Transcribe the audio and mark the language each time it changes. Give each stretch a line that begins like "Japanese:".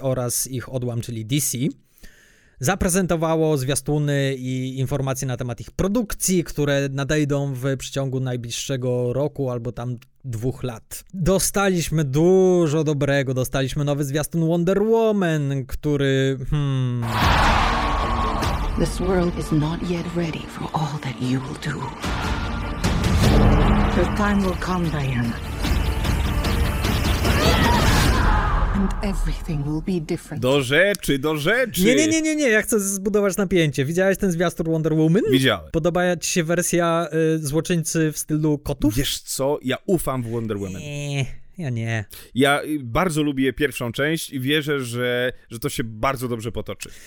Polish: Oraz ich odłam, czyli DC, zaprezentowało zwiastuny i informacje na temat ich produkcji, które nadejdą w przeciągu najbliższego roku albo tam 2 lat. Dostaliśmy dużo dobrego, dostaliśmy nowy zwiastun Wonder Woman, który...
English: This world is not yet ready for all that you will do. The time will come, Diana. And everything will be different.
Polish: Do rzeczy, do rzeczy. Nie, ja chcę zbudować napięcie. Widziałeś ten zwiastun Wonder Woman? Widziałem. Podoba ci się wersja złoczyńcy w stylu kotów? Wiesz co, ja ufam w Wonder Woman. Ja nie. Ja bardzo lubię pierwszą część i wierzę, że to się bardzo dobrze potoczy.